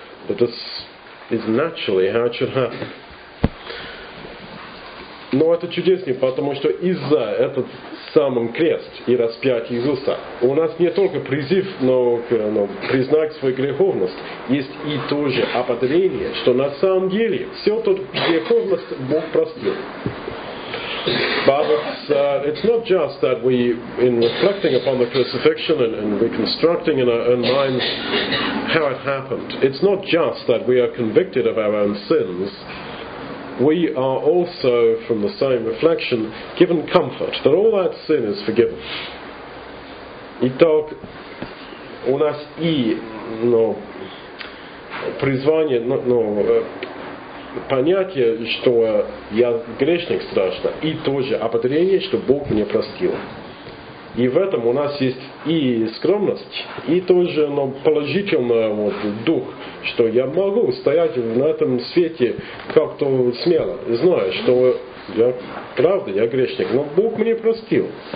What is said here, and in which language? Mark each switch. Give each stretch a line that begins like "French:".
English: That this is naturally how it should happen.
Russian: Но это чудеснее, потому что из-за этот самый крест и распятие Иисуса у нас не только призыв, но признать свою греховность, есть и то же ободрение, что на самом деле все тут греховность Бог простил.
English: But it's not just that we, in reflecting upon the crucifixion and reconstructing in our own minds how it happened, it's not just that we are convicted of our own sins. We are also, from the same reflection, given comfort that all that sin is forgiven.
Russian: Итак, у нас и, ну, призвание, ну, понятие, что я грешник страшно, и тоже ободрение, что Бог меня простил. И в этом у нас есть и скромность, и тоже, ну, положительный вот дух, что я могу стоять на этом свете как-то смело, зная, что я, правда, я грешник, но Бог меня простил.